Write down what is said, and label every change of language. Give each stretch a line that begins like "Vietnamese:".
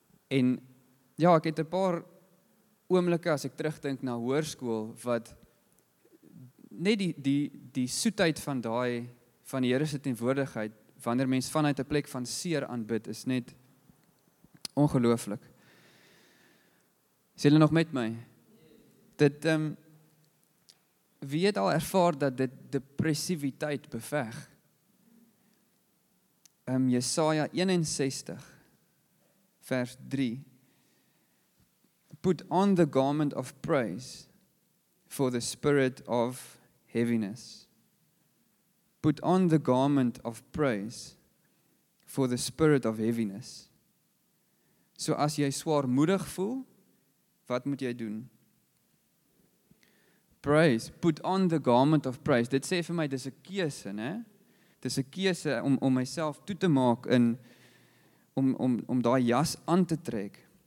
Afrikaans: En ja, ek het 'n paar oomblikke as ek terugdink na hoërskool, wat net die soetheid van daai van die Here se teenwoordigheid, wanneer mens vanuit 'n plek van seer aanbid, is net ongelooflik. Is jy nog met my? Dit, wie het al ervaar dat dit depressiviteit beveg? Jesaja 61, vers 3.
English: Put on the garment of praise for the spirit of heaviness. Put on the garment of praise for the spirit of heaviness.
Afrikaans: So as jy swaarmoedig voel, wat moet jy doen?
English: Praise. Put on the garment of praise.
Afrikaans: Dit sê vir my, dis 'n keuse, né? Dis 'n keuse om myself toe te maak in om daai jas aan te trek.